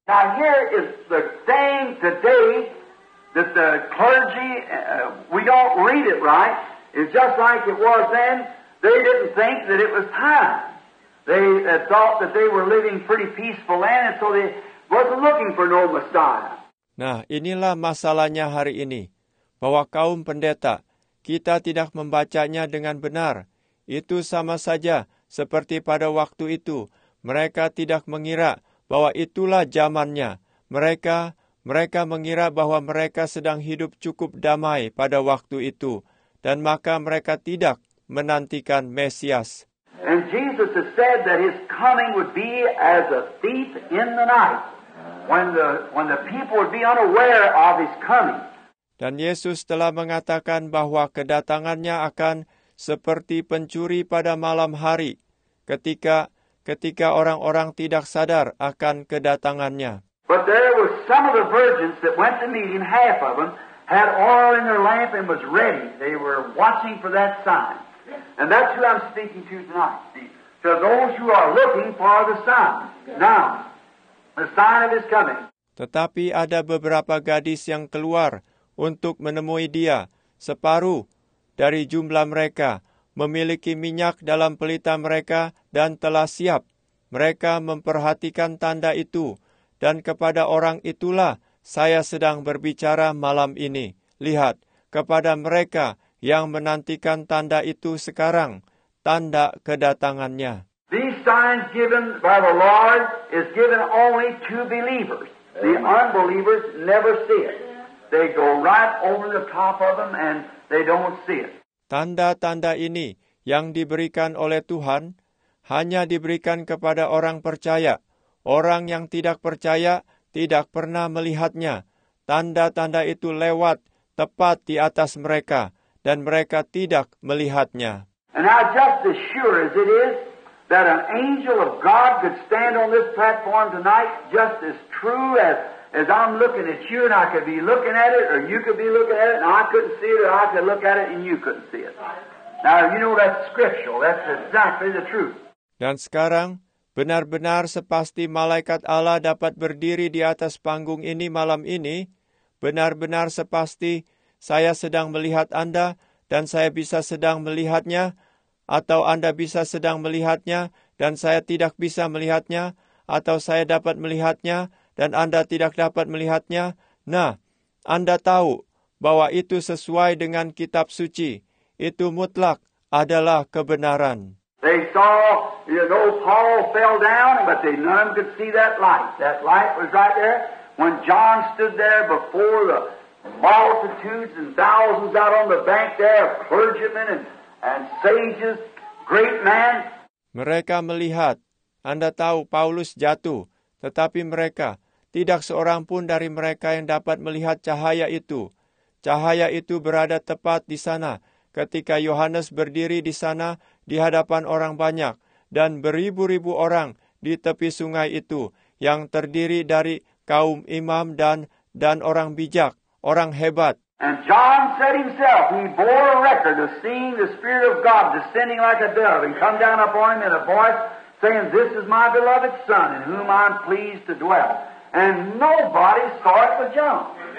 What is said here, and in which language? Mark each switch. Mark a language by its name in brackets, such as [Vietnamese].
[English] Now here is the thing today that the clergy, we don't read it right. It's just like it was then. They didn't think that it was time. They thought that they were living pretty peaceful land, and so they wasn't looking for no Messiah. [Indonesian] Nah, inilah masalahnya hari ini, bahwa kaum pendeta, kita tidak membacanya dengan benar. Itu sama saja seperti pada waktu itu, mereka tidak mengira bahwa itulah zamannya. Mereka mengira bahwa mereka sedang hidup cukup damai pada waktu itu, dan maka mereka tidak menantikan Mesias. [English] And Jesus has said that his coming would be as a thief in the night. When the people would be unaware of his coming. [Indonesian] Dan Yesus telah mengatakan bahwa kedatangannya akan seperti pencuri pada malam hari, ketika orang-orang tidak sadar akan kedatangannya. [English] But there was some of the virgins that went to meet him, half of them had oil in their lamp and was ready. They were watching for that sign. And that's who I'm speaking to tonight. To those who are looking for the sign. Now, the sign of his coming. [Indonesian] Tetapi ada beberapa gadis yang keluar untuk menemui dia. Separuh dari jumlah mereka memiliki minyak dalam pelita mereka dan telah siap. Mereka memperhatikan tanda itu, dan kepada orang itulah saya sedang berbicara malam ini. Lihat, kepada mereka yang menantikan tanda itu sekarang, tanda kedatangannya. [English] These signs given by the Lord is given only to believers. The unbelievers never see it. They go right over the top of them and they don't see it. [Indonesian] Tanda-tanda ini yang diberikan oleh Tuhan hanya diberikan kepada orang percaya. Orang yang tidak percaya tidak pernah melihatnya. Tanda-tanda itu lewat tepat di atas mereka, dan mereka tidak melihatnya. [English] And now just as sure as it is that an angel of God could stand on this platform tonight, just as true as I'm looking at you and I could be looking at it, or you could be looking at it and I couldn't see it, or I could look at it and you couldn't see it. Now, you know that's scriptural. That's exactly the truth. [Indonesian] Dan sekarang, benar-benar sepasti malaikat Allah dapat berdiri di atas panggung ini malam ini, benar-benar sepasti saya sedang melihat Anda dan saya bisa sedang melihatnya, atau Anda bisa sedang melihatnya dan saya tidak bisa melihatnya, atau saya dapat melihatnya dan Anda tidak dapat melihatnya. Nah, Anda tahu bahwa itu sesuai dengan kitab suci. Itu mutlak adalah kebenaran. [English] They saw, you know, Paul fell down, but none of them could see that light. That light was right there. When John stood there before the multitudes and thousands out on the bank there, clergymen and sages, great men. [Indonesian] Mereka melihat, Anda tahu, Paulus jatuh. Tetapi mereka, tidak seorang pun dari mereka yang dapat melihat cahaya itu. Cahaya itu berada tepat di sana, ketika Yohanes berdiri di sana, di hadapan orang banyak, dan beribu-ribu orang di tepi sungai itu, yang terdiri dari kaum imam dan orang bijak, orang hebat. [English] And John said himself, he bore a record of seeing the Spirit of God descending like a dove and come down upon him in a voice saying, this is my beloved Son in whom I'm pleased to dwell. And nobody saw it but John.